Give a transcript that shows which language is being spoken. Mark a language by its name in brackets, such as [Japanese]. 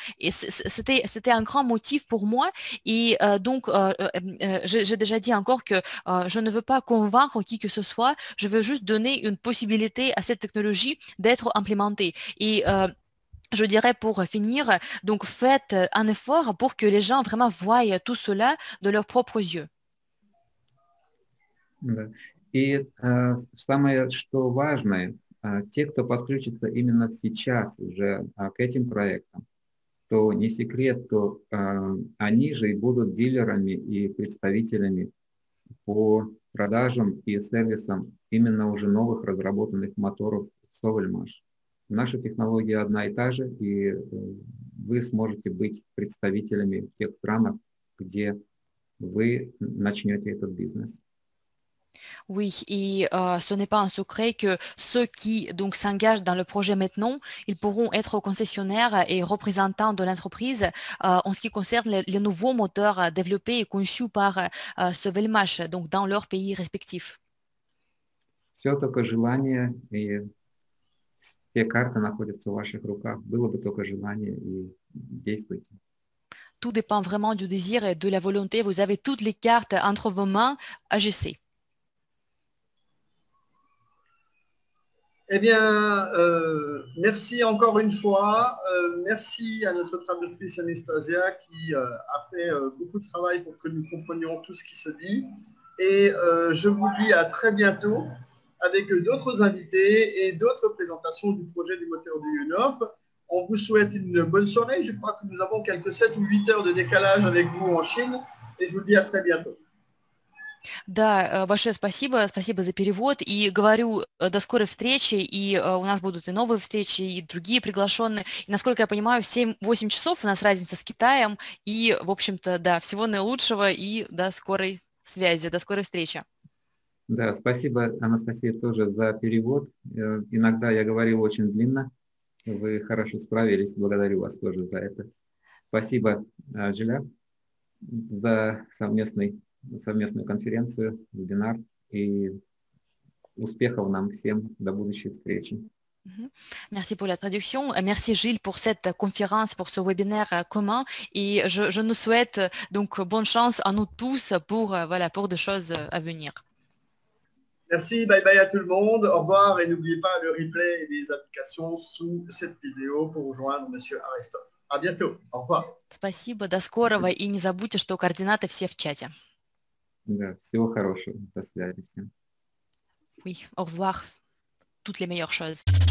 [French] Et c'était un grand motif pour moi. Et j'ai déjà dit encore que je ne veux pas convaincre qui que ce soit. Je veux juste donner une possibilité à cette technologie d'être implémentée. Et je dirais pour finir, donc faites un effort pour que les gens vraiment voient tout cela de leurs propres yeux. [Russian] Да. И самое, что важное, те, кто подключится именно сейчас уже к этим проектам, то не секрет, то они же и будут дилерами и представителями по продажам и сервисам именно уже новых разработанных моторов Sovelmash. Наша технология одна и та же, и вы сможете быть представителями в тех странах, где вы начнете этот бизнес. [French] Oui, et ce n'est pas un secret que ceux qui donc s'engagent dans le projet maintenant, ils pourront être concessionnaires et représentants de l'entreprise en ce qui concerne les nouveaux moteurs développés et conçus par Sovelmash, donc dans leur pays respectif. [Russian] Все только желание и все карты находятся в ваших руках. Было бы только желание и действуйте. [French] Tout dépend vraiment du désir et de la volonté. Vous avez toutes les cartes entre vos mains. Agissez. Eh bien, merci encore une fois. Merci à notre traductrice Anastasia qui a fait beaucoup de travail pour que nous comprenions tout ce qui se dit. Et je vous dis à très bientôt avec d'autres invités et d'autres présentations du projet du moteur du UNOF. On vous souhaite une bonne soirée. Je crois que nous avons quelques 7 ou 8 heures de décalage avec vous en Chine. Et je vous dis à très bientôt. [Russian] Да, большое спасибо, спасибо за перевод, и говорю, до скорой встречи, и у нас будут и новые встречи, и другие приглашенные, и, насколько я понимаю, 7-8 часов у нас разница с Китаем, и, в общем-то, да, всего наилучшего, и до скорой связи, до скорой встречи. Да, спасибо, Анастасия, тоже за перевод, иногда я говорю очень длинно, вы хорошо справились, благодарю вас тоже за это. Спасибо, Джиля, за совместную конференцию, вебинар, и успехов нам всем, до будущей встречи. [French] Merci pour la traduction, merci Gilles pour cette conférence, pour ce webinaire commun, et je nous souhaite donc bonne chance à nous tous pour, voilà, pour des choses à venir. Merci, bye bye à tout le monde, au revoir, et n'oubliez pas le replay et les applications sous cette vidéo pour rejoindre Monsieur Aristote. À bientôt, au revoir. [Russian] Спасибо, до скорого, и не забудьте, что координаты все в чате. Да, всего хорошего. До связи всем. [French] Oui, au revoir. Toutes les meilleures choses.